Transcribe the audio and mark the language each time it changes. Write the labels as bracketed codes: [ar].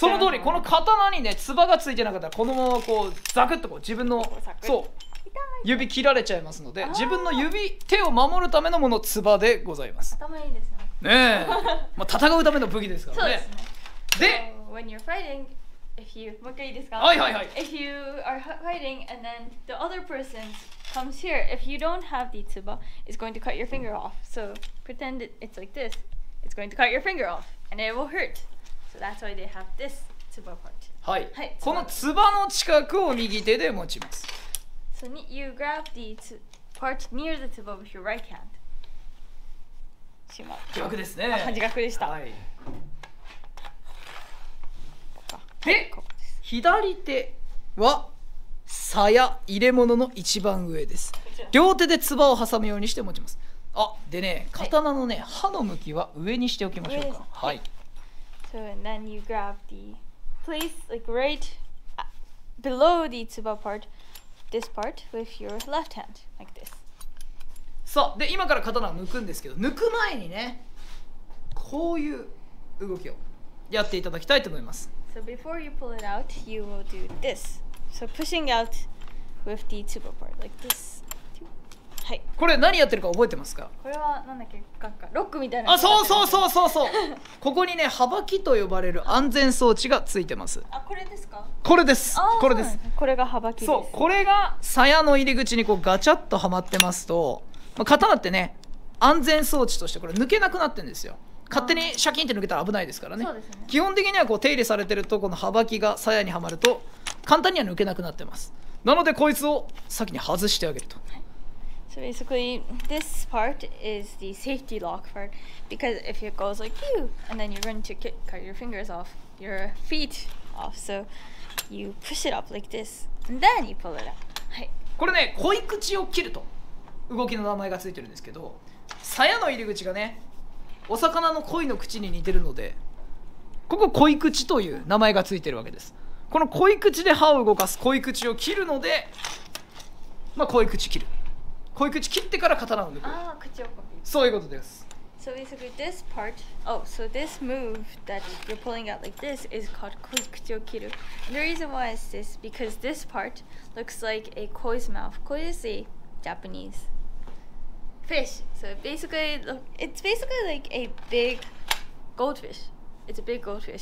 [ja] その通り、この刀にね、つばがついてなかったらこのままこうザクッとこう自分の、そう、指切られちゃいますので、自分の指、手を守るためのもの、つばでございます。頭いいですね。ねえ、まあ、戦うための武器ですからね。そうですね。で、 [en] so, when you're fighting, if you… [ja] もう一回いいですか？はいはいはい。 [en] If you are fighting and then the other personComes here. If you don't have the tsuba, it's going to cut your finger off. So pretend it's like this. It's going to cut your finger off, and it will hurt. So that's why they have this tsuba part. [ja] はい。はい、このつばの近くを右手で持ちます。 [en] So you grab the part near the tsuba with your right hand. [ja] しまった。逆ですね。逆でした。はい。で、左手は。鞘、入れ物の一番上です。両手で唾を挟むようにして持ちます。あ、でね、刀のね、はい、刃の向きは上にしておきましょうか。はい。 [en] So and then you grab the place like right below the 唾 part, this part with your left hand like this. [ja] さあ、で今から刀を抜くんですけど、抜く前にね、こういう動きをやっていただきたいと思います。 [en] So before you pull it out, you will do this. So pushing out with the tuba part like this. [ja] はい。これ何やってるか覚えてますか？これはなんだっけ、ガッカロックみたいな。あ、そうそうそうそうそう。ここにね、はばきと呼ばれる安全装置がついてます。あ、これですか？これです。これです。これがはばきです。そう、これが鞘の入り口にこうガチャッとはまってますと、まあ、刀ってね、安全装置としてこれ抜けなくなってるんですよ。勝手にシャキンって抜けたら危ないですから ね、そうですね。基本的にはこう手入れされてるとこのはばきが鞘にはまると簡単には抜けなくなってます。なのでこいつを先に外してあげると、 [en] はい、So basically this part is the safety lock part because if it goes like you and then you're going to cut your fingers off your feet off so you push it up like this and then you pull it out、はい、 [ja] これね、鯉口を切ると動きの名前がついてるんですけど、鞘の入り口がね、お魚の鯉の口に似てるので、ここ鯉口という名前がついてるわけです。この鯉口で歯を動かす、鯉口を切るので、まあ鯉口切る、鯉口切ってから刀を抜く。ああ、口をこう、そういうことです。 [en] So basically this part, oh, so this move that you're pulling out like this is called 鯉口を切る。 The reason why is this because this part looks like a koi's mouth. Koi is a JapaneseFish. So basically, look, it's basically like a big goldfish. It's a big goldfish.